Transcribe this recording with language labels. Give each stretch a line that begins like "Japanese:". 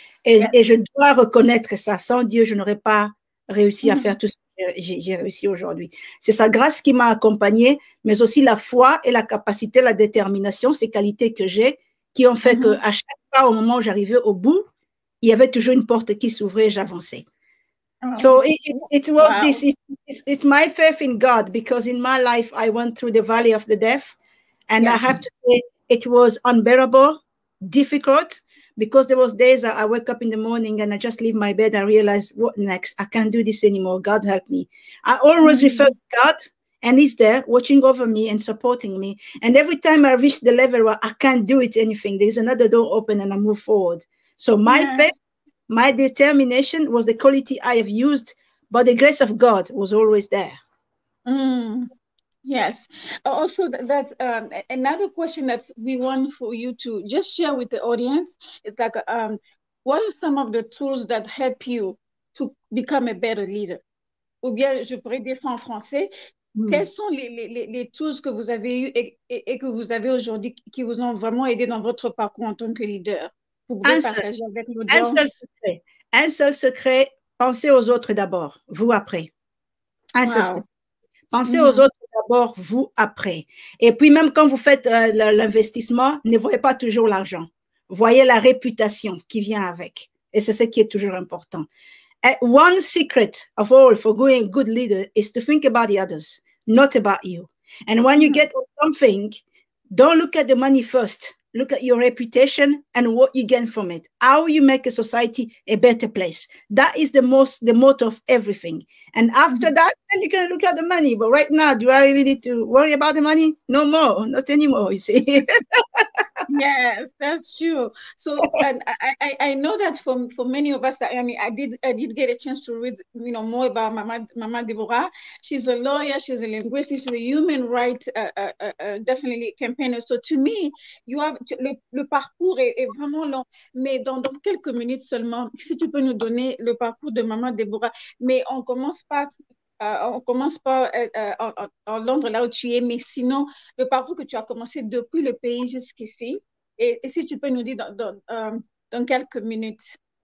French: Et je dois reconnaître ça. Sans Dieu, je n'aurais pas réussi à faire tout ce que j'ai réussi aujourd'hui. C'est sa grâce qui m'a accompagnée, mais aussi la foi et la capacité, la détermination, ces qualités que j'ai, qui ont fait qu'à chaque fois, au moment où j'arrivais au bout, il y avait toujours une porte qui s'ouvrait et j'avançais.
English: It's my faith in God, because in my life, I went through the valley of the death, and I have to say, it was unbearable, difficult, because there was days that I wake up in the morning and I just leave my bed and realize, what next? I can't do this anymore. God help me. I always refer to God, and he's there watching over me and supporting me. And every time I reach the level where I can't do it anything, there's another door open and I move forward. So my faith, my determination was the quality I have used, but the grace of God was always there. Yes. Also, another question that we want for you to just share with the audience is like, what are some of the tools that help you to become a better leader?
French: Ou bien, je pourrais dire ça en français, quels sont les tools que vous avez eus et que vous avez aujourd'hui qui vous ont vraiment aidé dans votre parcours en tant que leader? Vous pouvez partager avec l'audience. Un seul secret, pensez aux autres d'abord, vous après. Pensez aux autres d'abord, vous après. Et puis même quand vous faites l'investissement, ne voyez pas toujours l'argent. Voyez la réputation qui vient avec. Et c'est ce qui est toujours important.
English: One secret of all for being a good leader is to think about the others, not about you. And when you get something, don't look at the money first. Look at your reputation and what you gain from it. How you make a society a better place. That is the motto of everything. And after that, then you can look at the money. But right now, do I really need to worry about the money? No more, not anymore, you see. Yes, that's true. So I know that for many of us, I did get a chance to read, you know, more about Mama Deborah. She's a lawyer, she's a linguist, she's a human rights definitely campaigner. So to me, you have
French: le parcours est vraiment long, mais dans quelques minutes seulement, si tu peux nous donner le parcours de Mama Deborah, mais on commence pas en Londres, là où tu es, mais sinon, le parcours que tu as commencé depuis le pays jusqu'ici, et si tu peux nous dire dans quelques minutes.